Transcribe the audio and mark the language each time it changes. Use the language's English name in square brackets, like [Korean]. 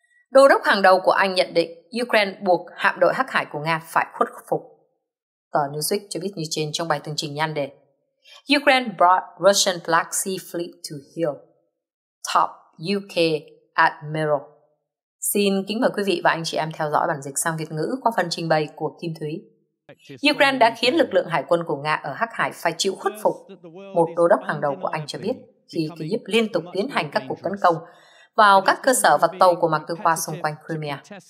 [Vietnamese] Đô đốc hàng đầu của Anh nhận định Ukraine buộc hạm đội hắc hải của Nga phải khuất phục. Tờ Newsweek cho biết như trên trong bài tường trình nhan đề. [English] Ukraine brought Russian Black Sea Fleet to heel. Top UK Admiral. [Vietnamese] Xin kính mời quý vị và anh chị em theo dõi bản dịch sang Việt ngữ qua phần trình bày của Kim Thúy. Ukraine đã khiến lực lượng hải quân của Nga ở Hắc Hải phải chịu khuất phục, một đô đốc hàng đầu của Anh cho biết, khi Kyiv liên tục tiến hành các cuộc tấn công vào các cơ sở và tàu của Mạc Tư Khoa xung quanh Crimea.